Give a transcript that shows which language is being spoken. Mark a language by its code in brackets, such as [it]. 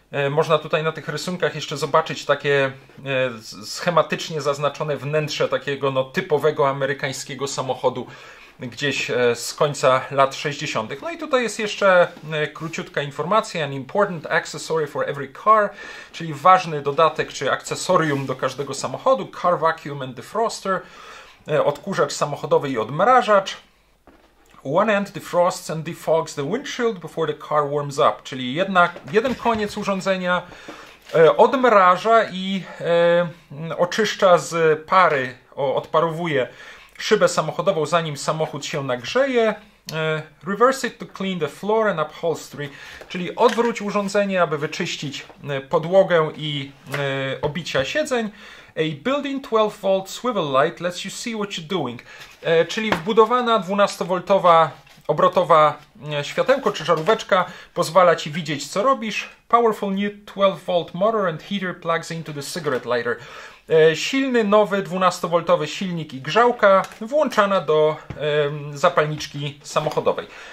[pl] Można tutaj na tych rysunkach jeszcze zobaczyć takie schematycznie zaznaczone wnętrze takiego no, typowego amerykańskiego samochodu gdzieś z końca lat 60. No i tutaj jest jeszcze króciutka informacja, [en] an important accessory for every car, [pl] czyli ważny dodatek czy akcesorium do każdego samochodu, [en] car vacuum and defroster, [pl] odkurzacz samochodowy i odmrażacz. [en] One end defrosts and defogs the windshield before the car warms up. [pl] Czyli jeden koniec urządzenia odmraża i oczyszcza z pary, odparowuje szybę samochodową, zanim samochód się nagrzeje. [en] Reverse it to clean the floor and upholstery. [pl] Czyli odwróć urządzenie, aby wyczyścić podłogę i obicia siedzeń. [en] A built-in 12-volt swivel light lets you see what you're doing. [pl] Czyli wbudowana 12-voltowa obrotowa światełko czy żaróweczka pozwala ci widzieć, co robisz. [en] Powerful new 12-volt motor and heater plugs into the cigarette lighter. [pl] Silny, nowy 12-voltowy silnik i grzałka włączana do zapalniczki samochodowej.